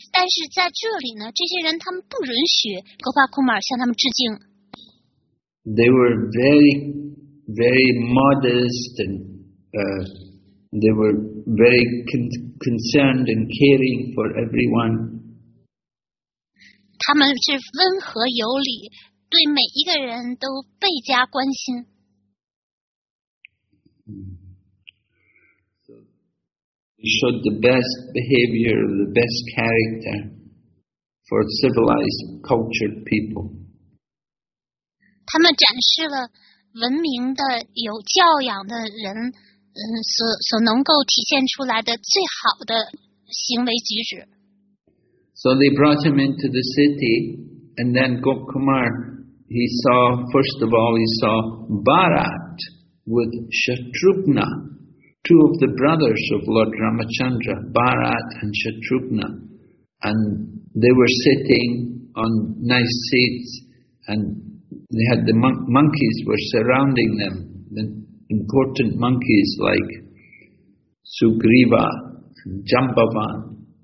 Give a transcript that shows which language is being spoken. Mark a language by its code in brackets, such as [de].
[zh] 但是在这里呢，这些人他们不允许 Gopal Kumar 向他们致敬。 [en] They were very modest and they were very concerned and caring for everyone. [zh] 他们是温和有礼，对每一个人都倍加关心。 [en] So, they showed the best behavior, the best character for civilized, cultured people. [zh] 他们展示了文明的有教养的人所能够体现出来的最好的行为举止。 [en] So they brought him into the city, and then Gop Kumar, he saw, first of all, he saw Bharat with Shatrughna, two of the brothers of Lord Ramachandra, Bharat and Shatrughna. And they were sitting on nice seats andThey had the monkeys were surrounding them, the important monkeys like Sugriva and Jambavan.